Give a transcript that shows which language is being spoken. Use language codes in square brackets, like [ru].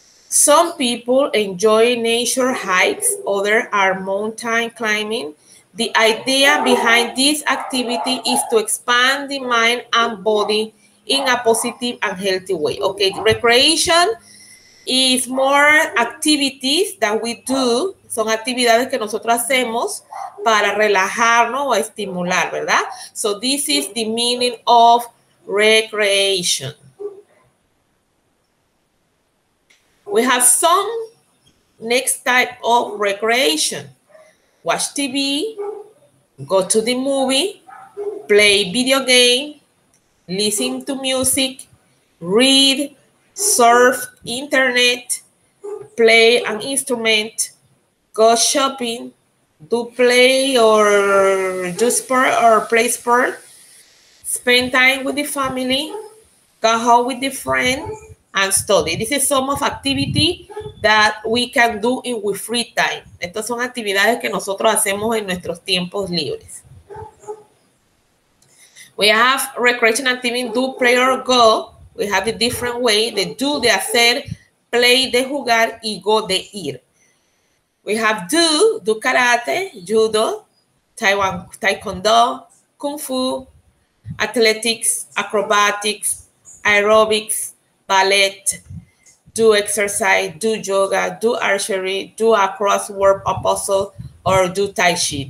[en] Some people enjoy nature hikes, others are mountain climbing. The idea behind this activity is to expand the mind and body in a positive and healthy way. Okay, recreation is more activities that we do. [es] Son actividades que nosotros hacemos para relajarnos o estimular, ¿verdad? [en] So this is the meaning of recreation. We have some next type of recreation. Watch TV, go to the movie, play video game, listen to music, read, surf internet, play an instrument, go shopping, do play or do sport or play sport, spend time with the family, go home with the friend, and study. This is some of activity that we can do in with free time. [es] Estas son actividades que nosotros hacemos en nuestros tiempos libres. [en] We have recreation activity, do, play, or go. We have a different way, the do, [es] de hacer, [en] play, [es] de jugar, y [en] go, [es] de ir. [en] We have do karate, judo, taekwondo, kung fu, athletics, acrobatics, aerobics, ballet, do exercise, do yoga, do archery, do a crossword puzzle, or do tai chi.